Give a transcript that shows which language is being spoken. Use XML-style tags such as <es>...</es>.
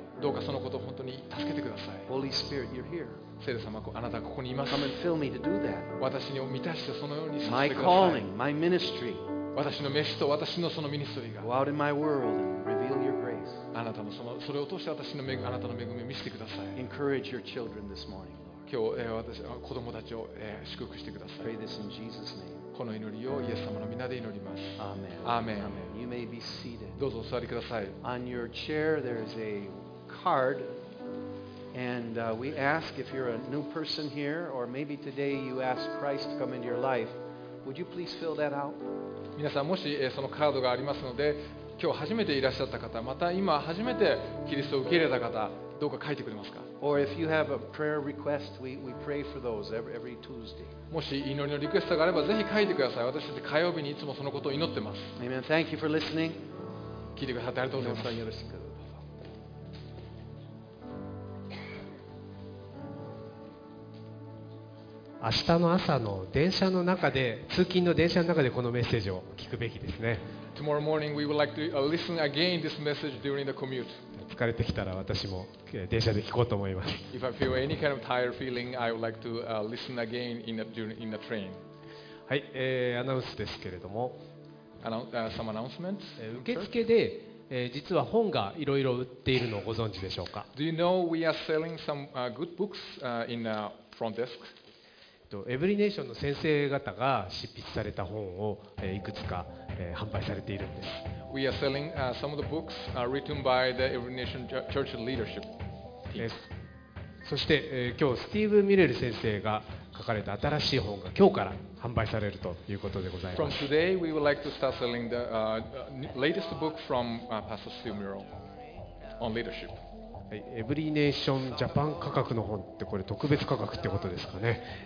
<ja>どうかそのことを本当に助けてください。</ja> <en>Holy Spirit, you're here.</en> <ja>聖霊様、あなたはここにいます。</ja> <en>Come and fill me to do that.</en> <ja>私を満たしてそのようにさせてください。</ja> <en>My calling, my ministry.</en> <ja>私の召しと私のそのミニストリーが。</ja> <en>Go out in my world and reveal your grace.</en> <ja>あなたもそれを通して私のあなたの恵みを見せてください。</ja> <en>Encourage your children this morning.</en> <ja>今日私は子供たちを祝福してください。この祈りをイエス様の皆で祈ります。アーメン。アーメン。</ja> <en>You may be seated.</en> <ja>どうぞお座りください。</ja> <en>On your chair there is a card, and we ask if you're a new person here, or maybe today you ask Christ to come into your life, would you please fill that out?</en> <ja>皆さんもしそのカードがありますので、今日初めていらっしゃった方、また今初めてキリストを受け入れた方。どうか書いてくれますか。</ja> <en>Or if you have a prayer request, we pray for those every Tuesday.</en> <ja>もし祈りのリクエストがあればぜひ書いてください。私たち火曜日にいつもそのことを祈ってます。</ja> <en>Amen. Thank you for listening.</en> <ja>聞いてくださってありがとうございます。皆さんよろしく。明日の朝の電車の中で、通勤の電車の中でこのメッセージを聞くべきですね。</ja> <en>Tomorrow morning, we would like to listen again this message during the commute.</en> <ja>疲れてきたら私も電車で聞こうと思います。</ja> <en>If I feel any kind of tired feeling, I would like to listen again in the train.</en> <ja>はい、アナウンスですけれども、</ja> <en>some announcements.</en> <ja>受付で、実は本がいろいろ売っているのをご存知でしょうか。</ja> <en>Do you know we are selling some good books in the front desk?</en> <ja>エブリネーションの先生方が執筆された本を、いくつか販売されているんです。</ja> <en>We are selling some of the books written by the Every Nation Church Leadership team.</en> <ja>そして、今日スティーブ・ミレル先生が書かれた新しい本が今日から販売されるということでございます。</ja> <en>From today, we would like to start selling the latest book from Pastor Steve Murrell on leadership.</en> <ja>はい、エブリネーションジャパン価格の本ってこれ特別価格ってことですかね。</ja>